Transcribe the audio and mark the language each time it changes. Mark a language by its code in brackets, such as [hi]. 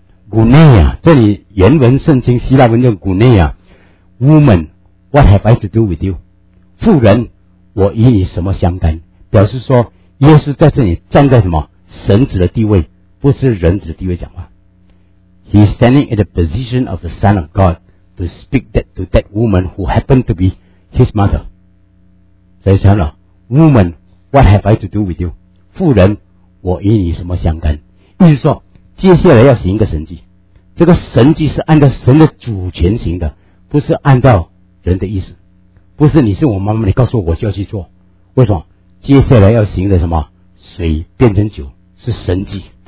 [zh] 古内亚，这里原文圣经希腊文叫古内亚 [en] ，woman， what have I to do with you？ [zh] 妇人，我与你什么相干？表示说，耶稣在这里站在什么神子的地位，不是人子的地位讲话。 [en] He is standing in the position of the Son of God to speak that to that woman who happened to be his mother. [zh] 所以说呢 [en] ，woman， what have I to do with you？ [zh] 妇人，我与你什么相干？意思说。接下来要行一个神迹，这个神迹是按照神的主权行的，不是按照人的意思，不是你是我妈妈，你告诉我我就要去做。为什么？接下来要行的什么？水变成酒是神迹。